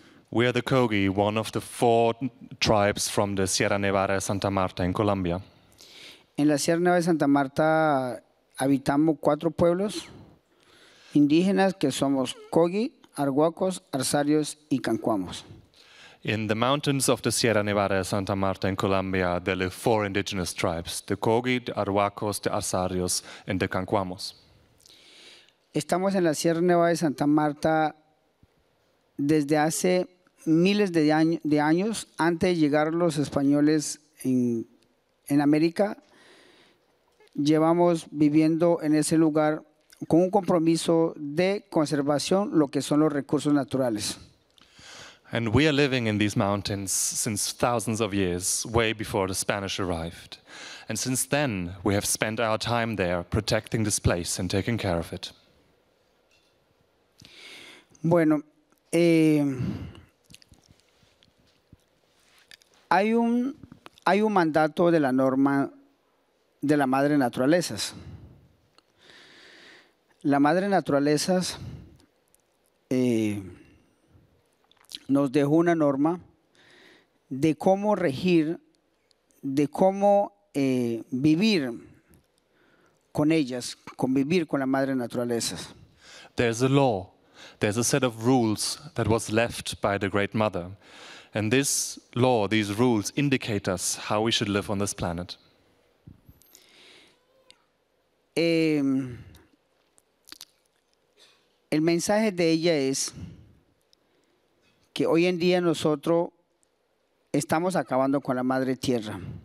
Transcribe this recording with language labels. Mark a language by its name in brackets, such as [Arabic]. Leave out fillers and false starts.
[English] We are the Kogi, one of the four tribes from the Sierra Nevada de Santa Marta in Colombia. [Spanish] En la Sierra Nevada de Santa Marta habitamos cuatro pueblos indígenas que somos Kogi, Arhuacos, Arsarios y Cancuamos. [English] In the mountains of the Sierra Nevada de Santa Marta in Colombia, there live four indigenous tribes, the Kogi, the Arhuacos, the Arsarios and the Cancuamos. [Spanish] Estamos en la Sierra Nevada de Santa Marta desde hace miles de años antes de llegar los españoles en América. Llevamos viviendo en ese lugar con un compromiso de conservación, lo que son los recursos naturales. [English] And we are living in these mountains since thousands of years, way before the Spanish arrived. And since then, we have spent our time there protecting this place and taking care of it. [Spanish] Bueno, hay un mandato de la norma de la Madre Naturalezas. La Madre Naturalezas nos dejó una norma de cómo regir, de cómo vivir con ellas, convivir con la madre naturaleza. [English] There's a law, there's a set of rules that was left by the great mother. And this law, these rules, indicate us how we should live on this planet. [Spanish] El mensaje de ella es que hoy en día nosotros estamos acabando con la madre tierra.